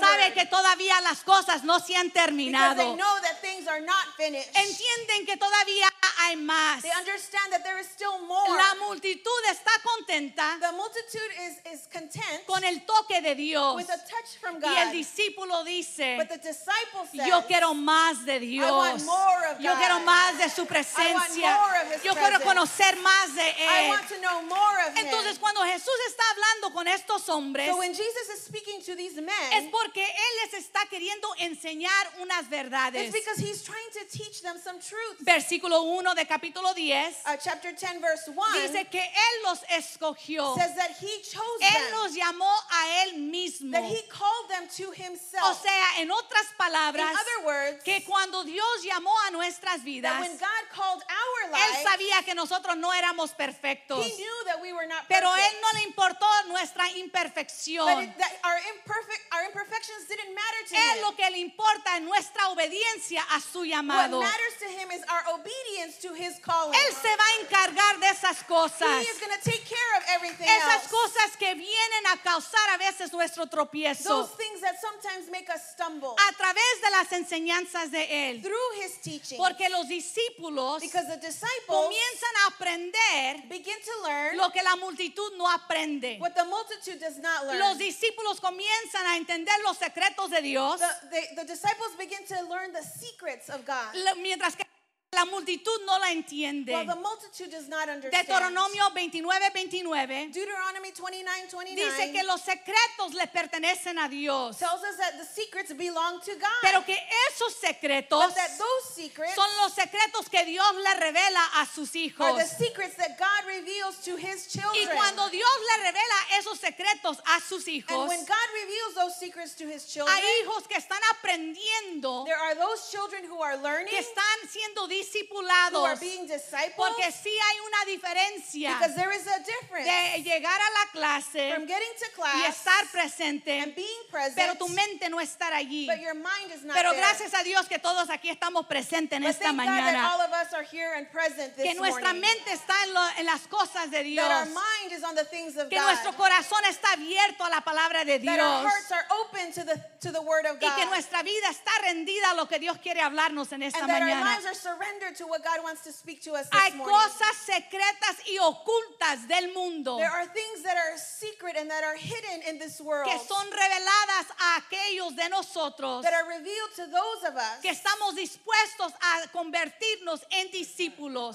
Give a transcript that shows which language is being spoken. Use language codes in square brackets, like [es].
[es] sabe que todavía las cosas no se han terminado. [en] Because they know that things are not finished. [es] Entienden que todavía hay más. [en] They understand that there is still more. [es] La multitud está contenta [en] the multitude is content [es] con el toque de Dios. [en] With a touch from God. [es] Y el discípulo dice [en] but the disciple says, [es] yo quiero más de Dios. [en] I want more of God. [es] Yo quiero más de su presencia. [en] I want more of his [es] yo quiero [en] presence. [es] Conocer más de él. [en] I want to know more of [es] entonces [en] him. [es] Cuando Jesús está hablando con estos hombres [en] so when Jesus is speaking to these men, [es] es porque él les está queriendo enseñar unas verdades. [en] It's because he's trying to teach them some truths. [es] Versículo 1 de capítulo 10, [en] chapter 10 verse 1 [es] dice que él los escogió. [en] Says that he chose [es] él [en] them. [es] Los llamó a él mismo. [en] That he called them to himself. [es] O sea, en otras palabras, [en] in other words, [es] que cuando Dios llamó a nuestras vidas [en] that when God called our life, [es] Él sabía que nosotros no éramos perfectos [en] he knew that we were not [es] pero [en] perfect. [es] Él no le importó nuestra imperfección [en] but it, that our imperfections didn't matter to [es] Él [en] him. [es] Lo que le importa es nuestra obediencia a su llamado [en] what matters to him is our obedience to his calling. [es] Él se va a encargar de esas cosas [en] he is going to take care of everything [es] esas [en] else. [es] Cosas que vienen a causar a veces nuestro tropiezo [en] those things that sometimes make us stumble [es] a través de las enseñanzas de Él [en] through his teaching. [es] Porque los discípulos, [en] because the disciples, [es] comienzan a aprender, [en] begin to learn, [es] lo que la multitud no aprende. [en] What the multitude does not learn. [es] Los discípulos comienzan a entender los secretos de Dios. [en] The disciples begin to learn the secrets of God. [es] Mientras que la multitud no la entiende. [en] While the multitude does not understand. [es] Deuteronomio 29:29. [en] Deuteronomy 29:29. [es] Dice que los secretos le pertenecen a Dios. [en] Tells us that the secrets belong to God. [es] Pero que esos secretos, [en] but that those secrets, [es] son los secretos que Dios le revela a sus hijos. [en] Are the secrets that God reveals to his children. [es] Y cuando Dios le revela esos secretos a sus hijos, [en] and when God reveals those secrets to his children, [es] hay hijos que están aprendiendo. [en] There are those children who are learning. [es] Que están siendo discipulados, [en] who are being discipled, [es] porque sí hay una diferencia, [en] because there is a difference, [es] de llegar a la clase, [en] from getting to class, [es] y estar presente, [en] and being present, [es] pero tu mente no estar allí, [en] but your mind is not [es] pero [en] there. [es] Gracias a Dios que todos aquí estamos presentes en [en] but [es] esta mañana, [en] that all of us are here and present this [es] que nuestra [en] morning. [es] Mente está en las cosas de Dios, [en] that our mind is on the things of [es] que [en] God. [es] Nuestro corazón está abierto a la palabra de Dios, [en] that our hearts are open to the word of God, [es] y que nuestra vida está rendida a lo que Dios quiere hablarnos en esta mañana, [en] surrender to what God wants to speak to us this [es] hay [en] morning. [es] Cosas secretas y ocultas del mundo. [en] There are things that are secret and that are hidden in this world. [es] Que son reveladas a aquellos de nosotros. [en] That are revealed to those of us. [es] Que estamos dispuestos a convertirnos en discípulos.